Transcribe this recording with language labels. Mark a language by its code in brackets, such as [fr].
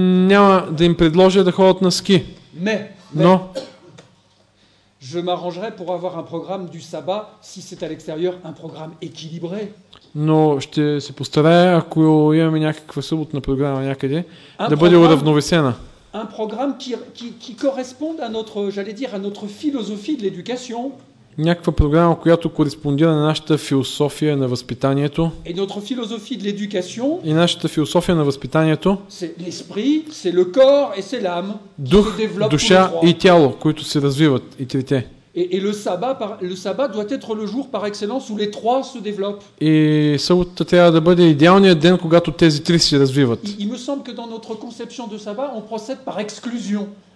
[bg] Няма да им предложа да ходят на ски. [fr] Но je m'arrangerai pour avoir un programme du sabbat si c'est à l'extérieur un programme équilibré. [bg] Но ще се постарая, ако имаме някаква съботна програма някъде, да бъде уравновесена. [fr] Un programme qui correspond à notre, j'allais dire, à notre philosophie de l'éducation. [bg] Някаква програма, която кореспондира на нашата философия на възпитанието. [fr] Et notre philosophie de l'éducation. [bg] И нашата философия на възпитанието. [fr] C'est l'esprit, c'est le corps et c'est l'âme. [bg] Дух, душа и тяло, които се развиват и трите. [fr] Et le sabbat doit être le jour par excellence où les trois se développent. [bg] Et съботата трябва да бъде идеалният ден, когато тези три се развиват. [fr] Il me semble que dans notre conception de sabbat, on procède par exclusion.